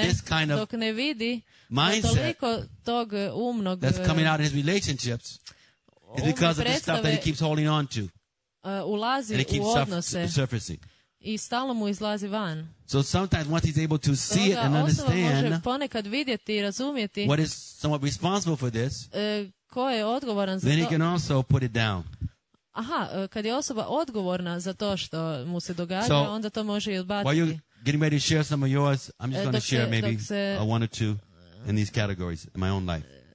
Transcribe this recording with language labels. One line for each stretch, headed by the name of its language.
English: of this kind of
Croatian: dok ne vidi
English: mindset
Croatian: toliko tog umnog
English: that's coming out in his relationships is because of the stuff that he keeps holding on to
Croatian: ulazi
English: and it keeps
Croatian: u odnose
English: surfacing.
Croatian: I stalno mu izlazi van.
English: So sometimes once he's able to see it and understand
Croatian: osoba može ponekad vidjeti i razumjeti
English: what is somewhat responsible for this,
Croatian: ko je odgovoran za to,
English: then he can also put it down.
Croatian: Aha, kad je osoba odgovorna za to što mu se događa,
English: so,
Croatian: onda to može i odbaciti.
English: While you're getting ready to share some of yours, I'm just going to share maybe a one or two in these categories in my own life.